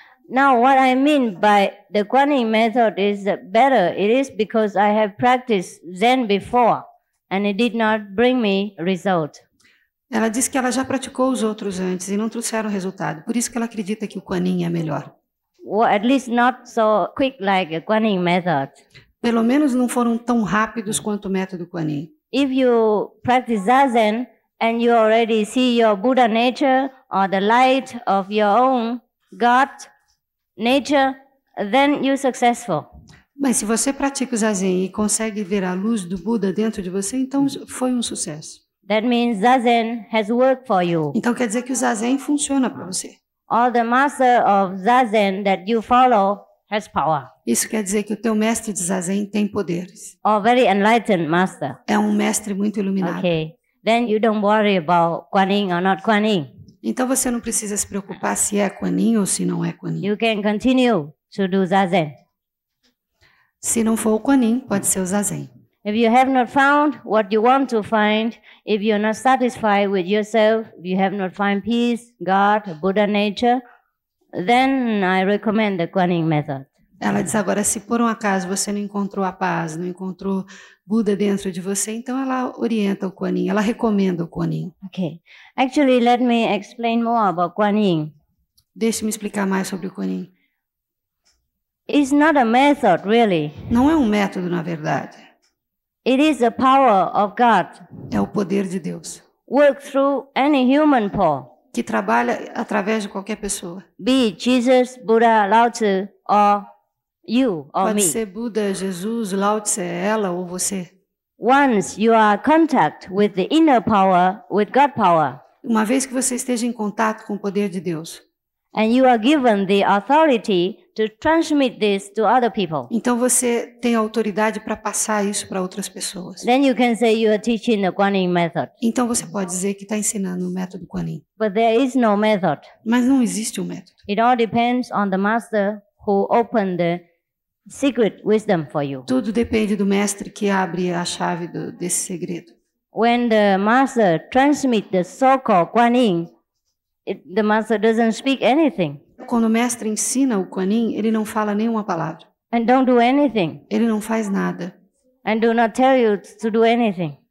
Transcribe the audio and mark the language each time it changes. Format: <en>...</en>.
<en>Now what I mean by the Kuan Yin method is better. It is because I have practiced Zen before and it did not bring me result.</en> <pt>Ela disse que ela já praticou os outros antes e não trouxeram resultado. Por isso que ela acredita que o Kuan Yin é melhor.</pt> <en>Well, at least not so quick like a Kuan Yin method.</en> <pt>Pelo menos não foram tão rápidos quanto o método Kuan Yin.</pt> <en>If you practice Zazen and you already see your Buddha nature or the light of your own God nature, then you're successful.</en> <pt>Mas se você pratica o Zazen e consegue ver a luz do Buda dentro de você, então foi um sucesso.</pt> <en>That means Zazen has worked for you.</en> <pt>Então quer dizer que o Zazen funciona para você.</pt> <en>All the master of Zazen that you follow has power.</en> <pt>Isso quer dizer que o teu mestre de Zazen tem poderes.</pt> <en>Or very enlightened master.</en> <pt>É um mestre muito iluminado.</pt> <en>Okay. Then you don't worry about Kuan Yin or not Kuan Yin.</en> <pt>Então você não precisa se preocupar se é Kuan Yin ou se não é Kuan Yin.</pt> <en>You can continue to do Zazen.</en> <pt>Se não for o Kuan Yin, pode ser o Zazen.</pt> <en>If you have not found what you want to find, if you're not satisfied with yourself, if you have not found peace, God, Buddha nature, then I recommend the Kuan Yin method.</en> <pt>Ela diz agora, se por um acaso você não encontrou a paz, não encontrou Buda dentro de você, então ela orienta o Kuan Yin, ela recomenda o Kuan Yin.</pt> <en>Okay. Actually, let me explain more about Kuan Yin.</en> <pt>Deixe-me explicar mais sobre o Kuan Yin.</pt> <en>It's not a method, really.</en> <pt>Não é um método, na verdade.</pt> <en>It is the power of God.</en> <pt>É o poder de Deus.</pt> <en>Work through any human power.</en> <pt>Que trabalha através de qualquer pessoa.</pt> <en>Be it Jesus, Buddha, Lao Tzu, or you or</en> <pt>pode</pt> <en>me.</en> <pt>Pode ser Buda, Jesus, Lao Tzu, ela ou você.</pt> <en>Once you are in contact with the inner power, with God power.</en> <pt>Uma vez que você esteja em contato com o poder de Deus.</pt> <en>And you are given the authority to transmit this to other people.</en> <pt>Então você tem autoridade para passar isso para outras pessoas.</pt> <en>Then you can say you are teaching the Kuan Yin method.</en> <pt>Então você pode dizer que está ensinando o método Kuan Yin.</pt> <en>But there is no method.</en> <pt>Mas não existe um método.</pt> <en>It all depends on the master who opened the secret wisdom for you.</en> <pt>Tudo depende do mestre que abre a chave desse segredo.</pt> <en>When the master transmits the so-called Kuan Yin, the master doesn't speak anything.</en> <pt>Quando o mestre ensina o Kuan Yin, ele não fala nenhuma palavra.</pt> <en>And don't do anything.</en> <pt>Ele não faz nada.</pt> <en>And do not tell you to do anything.</en>